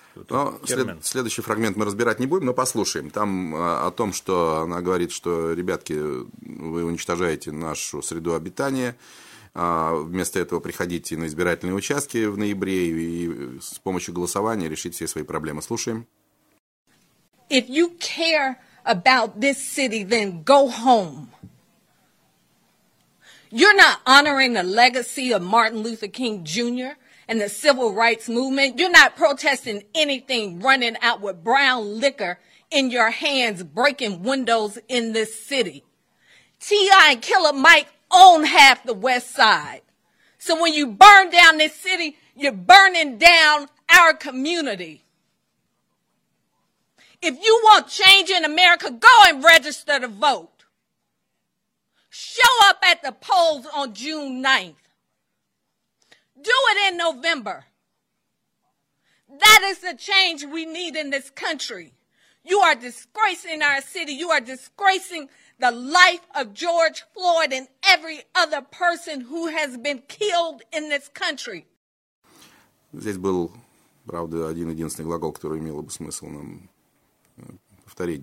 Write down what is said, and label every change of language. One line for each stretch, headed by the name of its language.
Russian: Но следующий фрагмент мы разбирать не будем, но послушаем. Там о том, что она говорит, что, ребятки, вы уничтожаете нашу среду обитания, вместо этого приходите на избирательные участки в ноябре и с помощью голосования решите все свои проблемы. Слушаем.
English: If you care about this city, then go home. You're not honoring the legacy of Martin Luther King Jr. and the civil rights movement. You're not protesting anything running out with brown liquor in your hands, breaking windows in this city. T.I. and Killer Mike own half the West Side. So when you burn down this city, you're burning down our community. If you want change in America, go and register to vote. Show up at the polls on June 9th. Do it in November. That is the change we need in this country. You are disgracing our city. You are disgracing the life of George Floyd and every other person who has been killed in this country.
Russian: Здесь был, правда, один-единственный глагол, который имело бы смысл нам повторить.